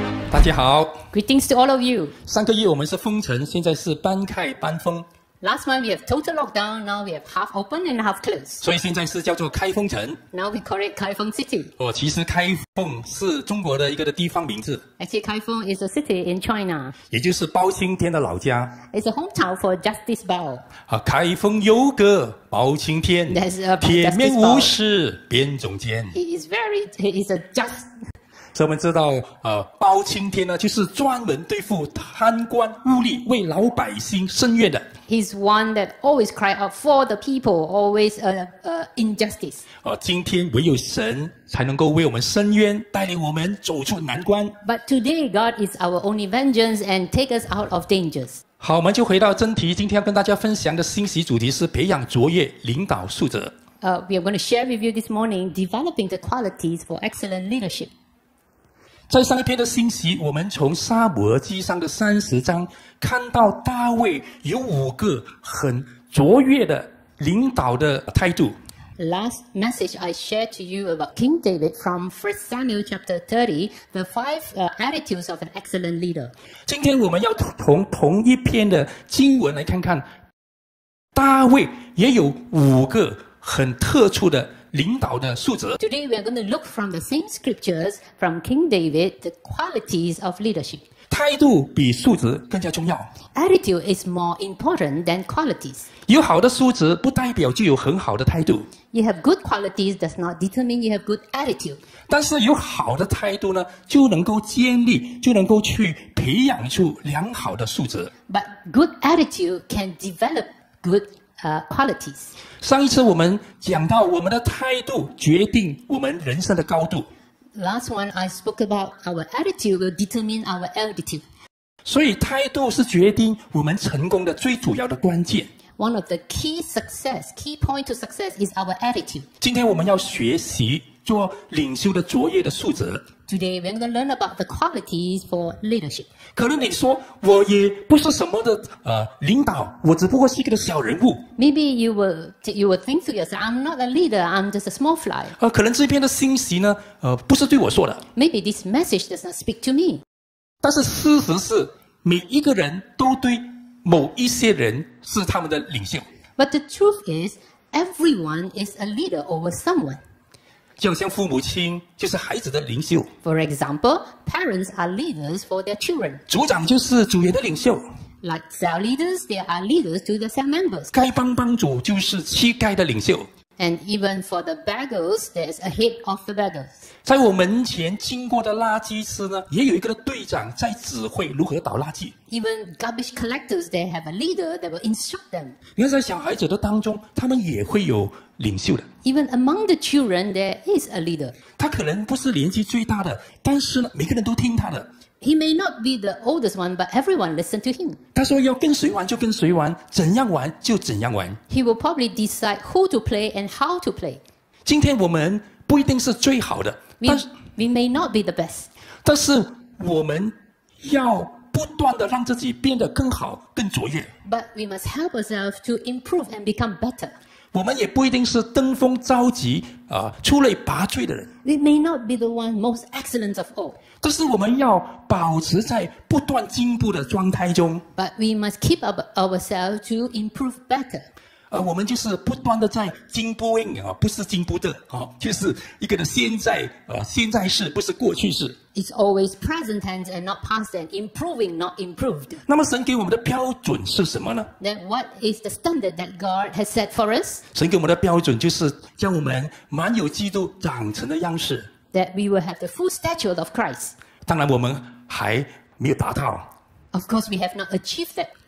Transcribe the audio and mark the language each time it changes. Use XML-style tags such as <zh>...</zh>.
<zh>大家好</zh> <en>，Greetings to all of you。</en> <zh>上个月我们是封城，现在是半开半封。</zh> <en>Last month we have total lockdown, now we have half open and half closed。</en> <zh>所以现在是叫做开封城。</zh> <en>Now we call it 开封 city。</en> <zh>哦，其实开封是中国的一个的地方名字。</zh> <en>Actually, 开封 is a city in China。</en> <zh>也就是包青天的老家。</zh> <en>It's a hometown for Justice Bao。</en> <zh>啊，开封有个包青天。</zh> <en>That's a</en> <zh>铁面无私辨忠奸。</zh> <en>He is a just。</en> <zh>所以我们知道，包青天呢，就是专门对付贪官污吏，为老百姓伸冤的。</zh> <en>He's one that always cry out for the people, always injustice.</en> <zh>今天唯有神才能够为我们伸冤，带领我们走出难关。</zh> <en>But today, God is our only vengeance and take us out of dangers.</en> <zh>好，我们就回到真题，今天要跟大家分享的信息主题是培养卓越领导素质。</zh> <en>We are going to share with you this morning developing the qualities for excellent leadership.</en> <zh>在上一篇的信息，我们从撒母耳记上的30章看到大卫有5个很卓越的领导的态度。</zh> <en>Last message I shared to you about King David from 1 Samuel chapter 30, the 5 attitudes of an excellent leader.</en> <zh>今天我们要从同一篇的经文来看看，大卫也有5个很特殊的领导的素质。</zh> <en>Today we are going to look from the same scriptures from King David, the qualities of leadership.</en> <zh>态度比素质更加重要。</zh> <en>Attitude is more important than qualities.</en> <zh>有好的素质不代表就有很好的态度。</zh> <en>You have good qualities does not determine you have good attitude.</en> <zh>但是有好的态度呢，就能够建立，就能够去培养出良好的素质。</zh> <en>But good attitude can develop good qualities.</en> <zh>上一次我们讲到我们的态度决定我们人生的高度。</zh> <en>Last one, I spoke about our attitude will determine our altitude.</en> <zh>所以态度是决定我们成功的最主要的关键。</zh> <en>One of the key success, key point to success is our attitude.</en> <zh>今天我们要学习做领袖的卓越的素质。</zh> <en>Today we're going to learn about the qualities for leadership.</en> <zh>可能你说我也不是什么的领导，我只不过是一个小人物。</zh> <en>Maybe you will think to yourself, I'm not a leader, I'm just a small fly.</en> <zh>可能这篇的信息呢，不是对我说的。</zh> <en>Maybe this message does not speak to me.</en> <zh>但是事实是，每一个人都对某一些人是他们的领袖。</zh> <en>But the truth is, everyone is a leader over someone.</en> <zh>就像父母亲就是孩子的领袖。</zh> <en>For example, parents are leaders for their children.</en> <zh>组长就是组员的领袖。</zh> <en>Like cell leaders, they are leaders to the cell members.</en> <zh>丐帮帮主就是乞丐的领袖。</zh> <en>And even for the beggars, there's a head of the beggars.</en> <zh>在我门前经过的垃圾师呢，也有一个队长在指挥如何倒垃圾。</zh> <en>Even garbage collectors, they have a leader that will instruct them.</en> <zh>你看，在小孩子的当中，他们也会有领袖的。</zh> <en>Even among the children, there is a leader.</en> <zh>他可能不是年纪最大的，但是呢，每个人都听他的。</zh> <en>He may not be the oldest one, but everyone listen to him.</en> <zh>他说要跟谁玩就跟谁玩，怎样玩就怎样玩。</zh> <en>He will probably decide who to play and how to play.</en> <zh>今天我们不一定是最好的，</zh> <en>we may not be the best.</en> <zh>但是我们要不断地让自己变得更好，更卓越。</zh> <en>But we must help ourselves to improve and become better.</en> <zh>我们也不一定是登峰造极，出类拔萃的人。</zh> <en>We may not be the one most excellent of all.</en> <zh>但是我们要保持在不断进步的状态中。</zh> <en>But we must keep up ourselves to improve better.</en> <zh>我们就是不断的在进步，不是进步的，就是一个的现在，现在式，不是过去式。</zh> <en>It's always present tense and not past tense. Improving, not improved.</en> <zh>那么神给我们的标准是什么呢？</zh> <en>Then what is the standard that God has set for us?</en> <zh>神给我们的标准就是将我们满有基督长成的样式。</zh> <en>That we will have the full stature of Christ.</en> <zh>当然我们还没有达到。</zh> <en>Of course, we have not achieved that.</en>